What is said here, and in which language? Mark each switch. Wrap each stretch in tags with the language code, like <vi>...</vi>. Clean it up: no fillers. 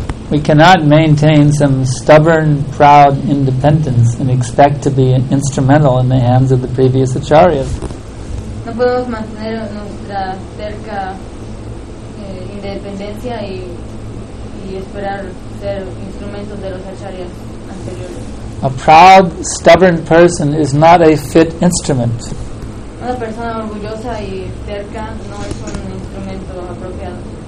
<en>We cannot maintain some stubborn, proud independence and expect to be instrumental in the hands of the previous acharyas.</en> <es>No podemos mantener nuestra cerca independencia y esperar ser instrumentos de los acharyas anteriores.</es> <en>A proud, stubborn person is not a fit instrument.</en> <es>Una persona orgullosa y terca no es un instrumento apropiado.</es>